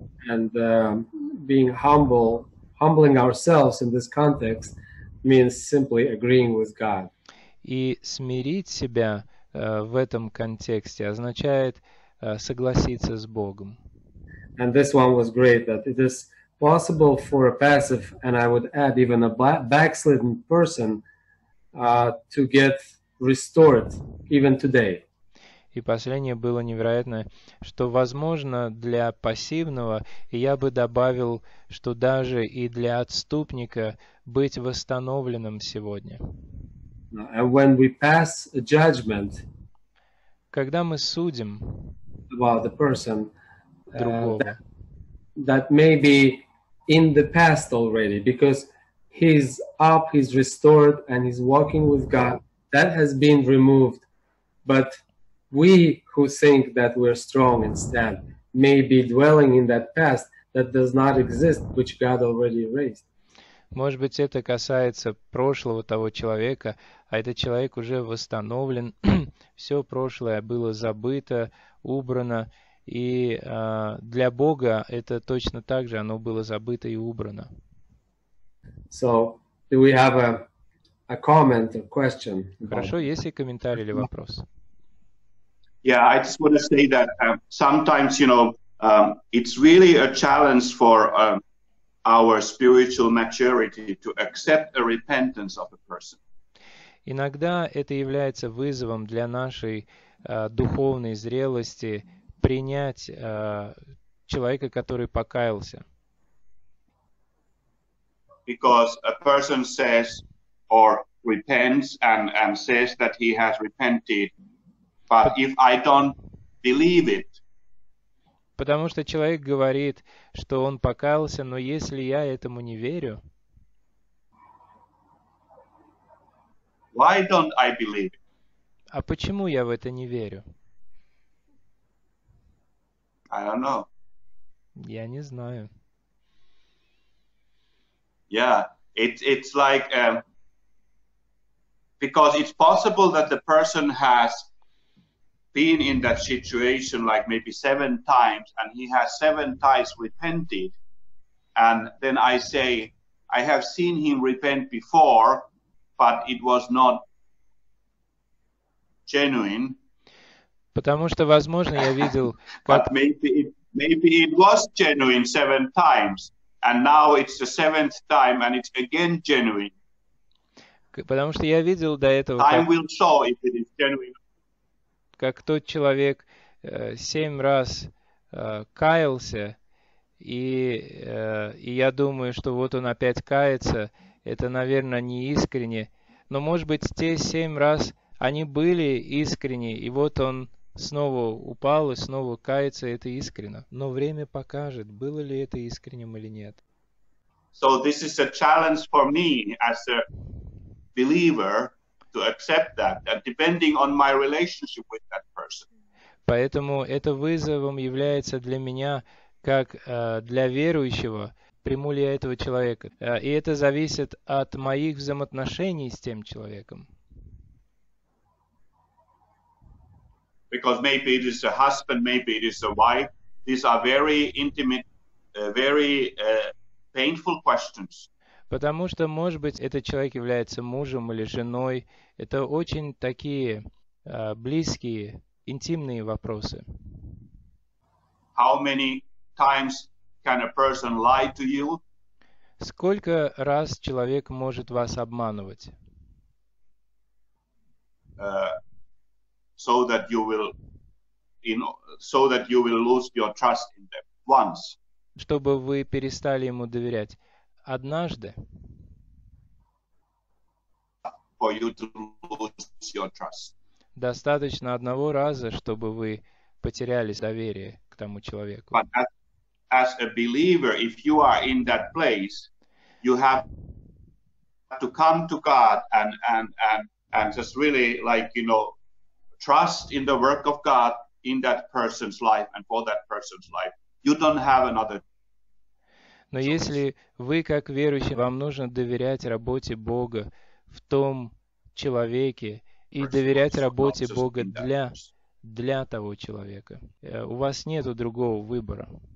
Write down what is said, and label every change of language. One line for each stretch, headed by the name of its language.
English: And being humble, humbling ourselves in this context means simply agreeing with God.
Russian: И смирить себя в этом контексте означает согласиться с Богом.
English: And this one was great, that it is possible for a passive, and I would add even a backslidden person, to get restored even today.
Russian: И последнее было невероятное, что возможно для пассивного, я бы добавил, что даже и для отступника быть восстановленным сегодня.
English: And when we pass a judgment,
Russian: когда мы судим
English: about the person,
Russian: другого,
English: that may be in the past already, because he's up, he's restored, and he's walking with God. That has been removed. But we who think that we're strong instead may be dwelling in that past that does not exist, which God already erased.
Russian: Может быть, это касается прошлого того человека, а этот человек уже восстановлен. Все прошлое было забыто, убрано. И для Бога это точно так же, оно было забыто и убрано.
English: So, do we have a comment or question?
Russian: Хорошо, есть ли комментарий или вопрос?
English: Yeah, I just want to say that sometimes, you know, it's really a challenge for our spiritual maturity to accept a repentance of a person.
Russian: Иногда это является вызовом для нашей духовной зрелости принять человека, который покаялся.
English: Because a person says or repents and says that he has repented, but if I don't believe it.
Russian: Потому что человек говорит, что он покаялся, но если я этому не верю.
English: Why don't I believe it?
Russian: А почему я в это не верю?
English: I don't know.
Russian: Я не знаю.
English: Yeah, it's like because it's possible that the person has been in that situation like maybe 7 times and he has 7 times repented, and then I say I have seen him repent before, but it was not genuine.
Russian: Потому что, возможно, я видел, как...
English: Maybe it was genuine 7 times, and now it's the 7th time, and it's again genuine.
Russian: Потому что я видел до этого,
English: time will show if it is genuine.
Russian: Как тот человек 7 раз каялся, и я думаю, что вот он опять кается, это, наверное, не искренне. Но, может быть, те 7 раз, они были искренни, и вот он снова упал и снова кается, это искренно. Но время покажет, было ли это искренним или нет.
English: So this is a challenge for me as a believer to accept that, depending on my relationship with that person.
Russian: Поэтому это вызовом является для меня, как для верующего, приму ли я этого человека. И это зависит от моих взаимоотношений с тем человеком.
English: Because maybe it is a husband, maybe it is a wife. These are very intimate, very painful questions.
Russian: Потому что, может быть, этот человек является мужем или женой. Это очень такие близкие, интимные вопросы.
English: How many times kind of person lie to you?
Russian: Сколько раз человек может вас обманывать?
English: So that you will lose your trust in them once.
Russian: Чтобы вы перестали ему доверять однажды.
English: For you to lose your trust.
Russian: Достаточно одного раза, чтобы вы потеряли доверие к тому человеку.
English: But as a believer, if you are in that place, you have to come to God and just really, like, you know, trust in the work of God in that person's life and for that person's life. You don't have another.
Russian: Но если вы как верующий, вам нужно доверять работе Бога в том человеке и доверять работе Бога для того человека. У вас нету другого выбора.